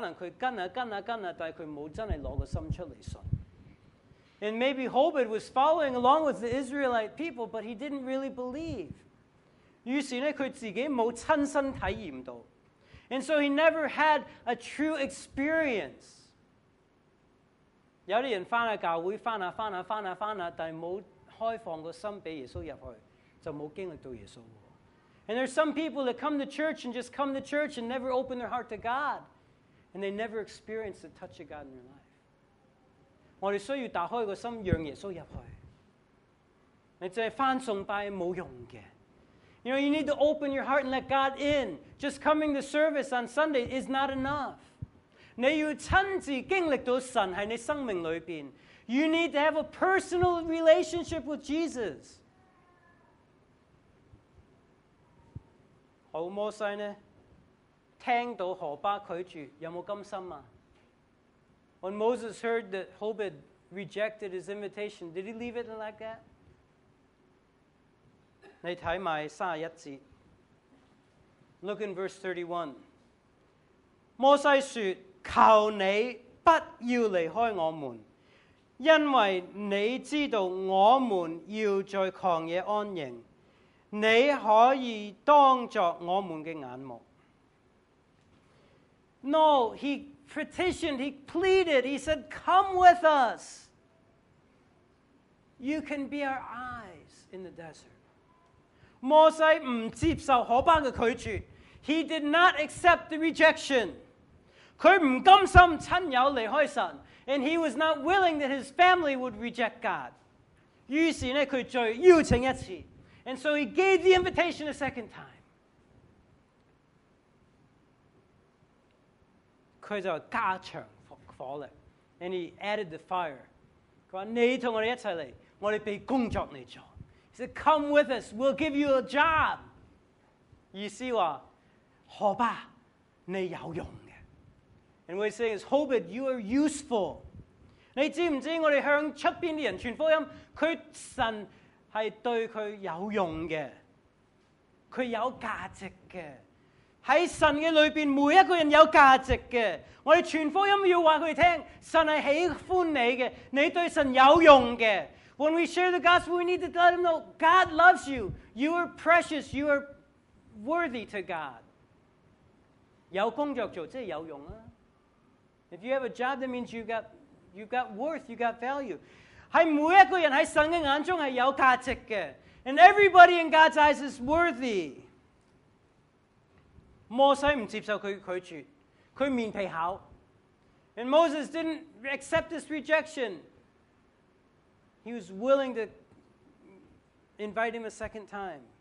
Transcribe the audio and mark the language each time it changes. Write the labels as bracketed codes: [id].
[zh] 何巴呢?可能他跟了跟了跟了,但他没有真的拿个心出来信。 [en] And maybe Hobit was following along with the Israelite people, but he didn't really believe. [zh] 于是呢,他自己没有亲身体验到。 [en] And so he never had a true experience. [zh] 有些人回到教会,但没有开放心给耶稣进去,就没有经历到耶稣。 [en] And there's some people that come to church and just come to church and never open their heart to God, and they never experience the touch of God in their life. [zh] 我们需要打开心,让耶稣进去。你只是翻崇拜,没有用的。 [en] You know, you need to open your heart and let God in. Just coming to service on Sunday is not enough. [zh] 你要亲自经历到神在你生命里面, [en] you need to have a personal relationship with Jesus. [zh] 好摩西呢, 听到何巴拒绝,有没有甘心啊? [en] When Moses heard that Hobit rejected his invitation, did he leave it like that? [zh] 你看31节, [en] look in verse 31. [zh] 摩西说, 求你不要离开我们，因为你知道我们要在旷野安营，你可以当作我们的眼目。No, [en] he petitioned, he pleaded, he said, come with us. You can be our eyes in the desert. [zh] 摩西不接受何巴的拒绝, [en] he did not accept the rejection. [zh] 他不甘心亲友离开神, [en] and he was not willing that his family would reject God. [zh] 于是呢,他再邀请一次, [en] and so he gave the invitation a second time. [zh] 他就加强火力, [en] and he added the fire. [zh] 他说,你和我们一起来,我们被工作来做。 [en] He said, come with us, we'll give you a job. [zh] 意思说,何巴,你有用。 [en] And what he's saying is, Hobit, you are useful. [zh] 你知不知我们向外面的人传福音,神是对他有用的, 他有价值的, 在神的里面每一个人有价值的，我们传福音要告诉他们，神是喜欢你的，你对神有用的。 [en] When we share the gospel, we need to let them know God loves you. You are precious. You are worthy to God. [zh] 有工作做即是有用啊。 [en] If you have a job, that means you've got worth, you've got value. [zh] 在每一个人在神的眼中是有价值的。 [en] And everybody in God's eyes is worthy. [zh] 摩西不接受他的拒绝，他面皮厚。 [en] And Moses didn't accept this rejection. He was willing to invite him a second time.